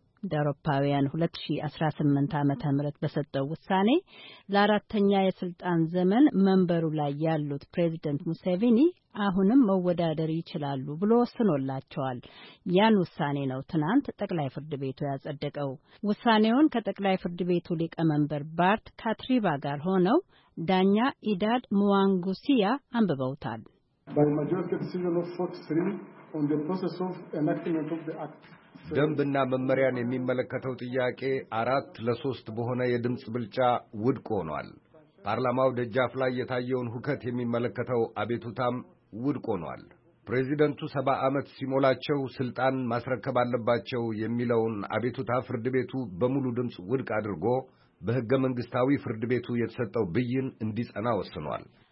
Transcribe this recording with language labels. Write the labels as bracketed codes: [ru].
[am] ዳሮፓውያን 2018 ዓመተ ምህረት በሰጠው ውሳኔ ለአራተኛ የስልጣን ዘመን መንበሩ ላይ ያሉት ፕሬዝዳንት ሙሴቪኒ አሁንም መወዳደር ይችላሉ ብሎ ወስኖላቸዋል። ያን ውሳኔ ነው ትናንት ጠቅላይ ፍርድ ቤቱ ያጸደቀው። ውሳኔውን ከጠቅላይ ፍርድ ቤቱ ሊቀመንበር ባርት ካትሪባ ጋር ሆነው ዳኛ ኢዳድ ሙዋንጉሲያ አንብበውታል። [en] By majority decision of 43 on the process of enactment of the act. [am] ደንብና መመሪያን የሚመለከተው ጥያቄ 4-3 በሆነ የድምጽ ብልጫ ውድቅ ሆኗል። ፓርላማው ደጃፍ ላይ የታየውን ሁከት የሚመለከተው አቤቱታም ውድቅ ሆኗል። ፕሬዚደንቱ 70 ዓመት ሲሞላቸው ስልጣን ማስረከብ አለባቸው የሚለውን አቤቱታ ፍርድ ቤቱ በሙሉ ድምጽ ውድቅ አድርጎ በሕገ መንግስታዊ ፍርድ ቤቱ የተሰጠው ብይን እንዲጸና ወስኗል።